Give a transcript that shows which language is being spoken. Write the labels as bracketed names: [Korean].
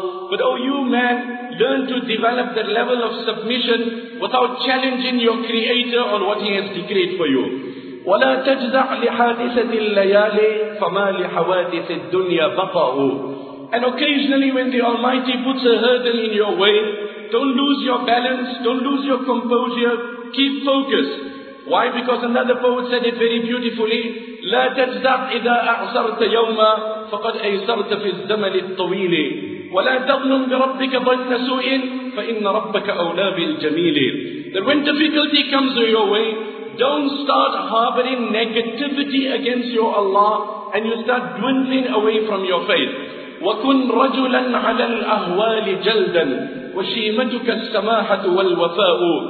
[English] But O you man, learn to develop that level of submission without challenging your Creator on what He has decreed for you. [Arabic] وَلَا تَجْزَعْ لِحَادِثَةِ اللَّيَالِ فَمَا لِحَوَادِثِ الدُّنْيَا بَقَاءُ. [English] And occasionally when the Almighty puts a hurdle in your way, don't lose your balance, don't lose your composure, keep focus. Why? Because another poet said it very beautifully, [Arabic] لَا تَجْزَعْ إِذَا أَعْصَرْتَ يَوْمًا فَقَدْ أَيْصَرْتَ فِي الزَّمَنِ الطَّوِيلِ وَلَا تَظْنُمْ بِرَبِّكَ ظَنَّ سُوءٍ فَإِنَّ رَبَّكَ أَوْلَى بِالْجَمِيلِ. [English] That when difficulty comes your way, don't start harboring negativity against your Allah and you start dwindling away from your faith. [Arabic] وَكُنْ رَجُلًا عَلَى الْأَهْوَالِ جَلْدًا وَشِيمَتُكَ السَّمَاحَةُ وَالْوَفَاءُ.